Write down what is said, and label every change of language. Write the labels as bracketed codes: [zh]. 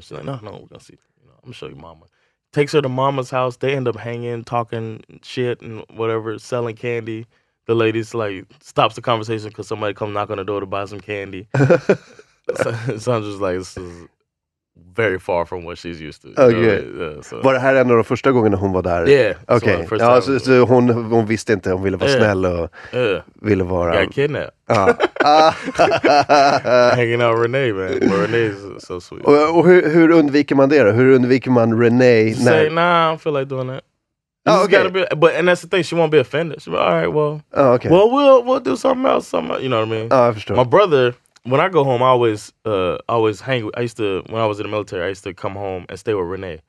[en] She's like, no, we're going to see, you know, I'm going to show you Mama. Takes her to Mama's house. They end up hanging, talking shit and whatever, selling candy. The lady's like, stops the conversation because somebody come knock on the door to buy some candy. Sandra's like, this is very far from what she's used to. [sv] Var det här ändå de första gångerna hon var där? [en] Yeah. Okay. [sv] So ja, så hon visste inte, hon ville vara snäll och ville vara... [en] Got kidnapped. Hanging out Renee, man. But Renee's so sweet. [sv] Och hur undviker man det då? Hur undviker man Renee? [en] Say, nah, I don't feel like doing that. And that's the thing, she won't be offended. She'll be, all right, well... Oh, okay. Well, we'll do something else, you know what I mean? Oh, I understand. My brother... When I go home, I always hang. I used to, when I was in the military, I used to come home and stay with Renee.